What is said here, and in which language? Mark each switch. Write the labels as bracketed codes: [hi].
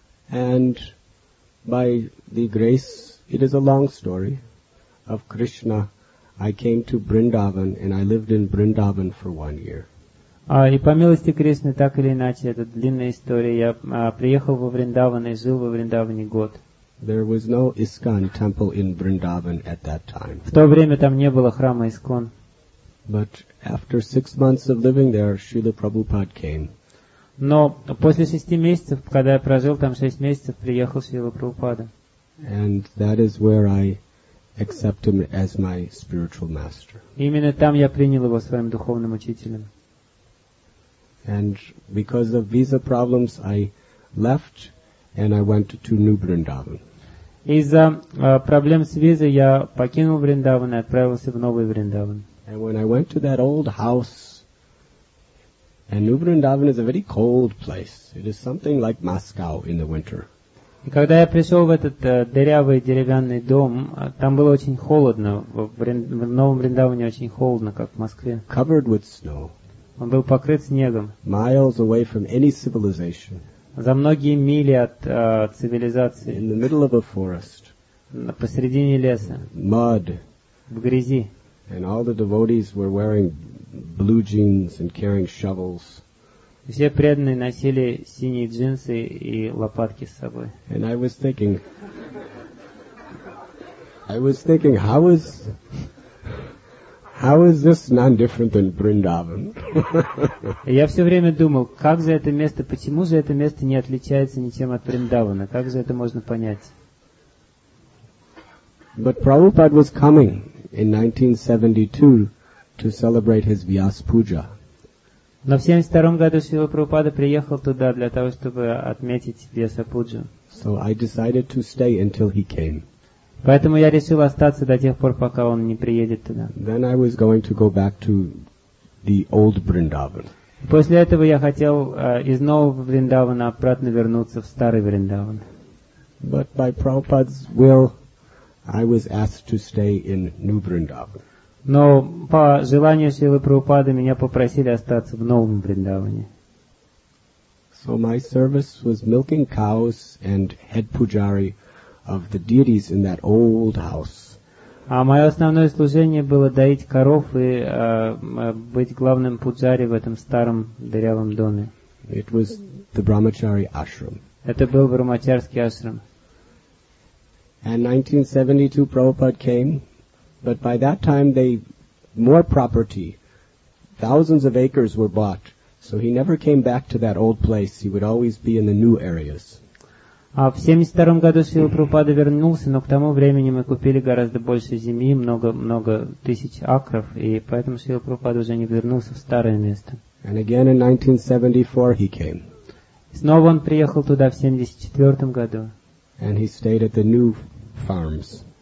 [en] And by the grace, it is a long story, of Krishna, I came to Vrindavan, and I lived in Vrindavan for 1 year. [ru] И по милости Кришны, так или иначе, это длинная история, я приехал во Вриндаван и жил во Вриндаване год. [en] There was no ISKCON temple in Vrindavan at that time. [ru] В то время там не было храма ИСКОН. [en] But after 6 months of living there, Srila Prabhupada came. [ru] Но после 6 месяцев, когда я прожил там 6 месяцев, приехал Шрила Прабхупада. [en] And that is where I accept him as my spiritual master. [ru] Именно там я принял его своим духовным учителем. [en] And because of visa problems, I left and I went to New Vrindavan. [ru] Из-за проблем с визой я покинул Вриндаван и отправился в Новый Вриндаван. [en] And when I went to that old house, and New Vrindavan is a very cold place. It is something like Moscow in the winter. [ru] И когда я пришел в этот дырявый деревянный дом, там было очень холодно. В Новом Вриндаване очень холодно, как в Москве. [en] Covered with snow. [ru] Он был покрыт снегом. [en] Miles away from any civilization. [ru] За многие мили от цивилизации. [en] In the middle of a forest. [ru] Посредине леса. [en] Mud. [ru] В грязи. [en] And all the devotees were wearing blue jeans and carrying shovels. [ru] Все преданные носили синие джинсы и лопатки с собой. [en] And I was thinking, how is this non-different than Vrindavan? [ru] Я все время думал, как же это место, почему же это место не отличается ничем от Вриндавана? Как же это можно понять? [en] But Prabhupada was coming in 1972 to celebrate his Vyas Puja. [ru] Но в 72 году Шрила Прабхупада приехал туда для того, чтобы отметить Вьяса Пуджу. [en] So I decided to stay until he came. [ru] Поэтому я решил остаться до тех пор, пока он не приедет туда. [en] Then I was going to go back to the old Vrindavan. [ru] После этого я хотел из нового Вриндавана обратно вернуться в старый Вриндаван. [en] But by Prabhupada's will, I was asked to stay in New Vrindavan. [ru] Но по желанию Шрилы Прабхупады меня попросили остаться в Новом Вриндаване. [en] So my service was milking cows and head pujari of the deities in that old house. [ru] А мое основное служение было доить коров и быть главным пуджари в этом старом дырявом доме. [en] It was the brahmachari ashram. [ru] Это был брахмачарский ашрам. [en] And 1972 Prabhupada came, but by that time they more property, thousands of acres were bought, so he never came back to that old place. He would always be in the new areas. [ru] А в 72 году Шрила Прабхупада вернулся, но к тому времени мы купили гораздо больше земли, много тысяч акров, и поэтому Шрила Прабхупада уже не вернулся в старое место. [en] And again in 1974 he came. [ru] Снова он приехал туда в 74 году. [en] And he stayed at the new farms.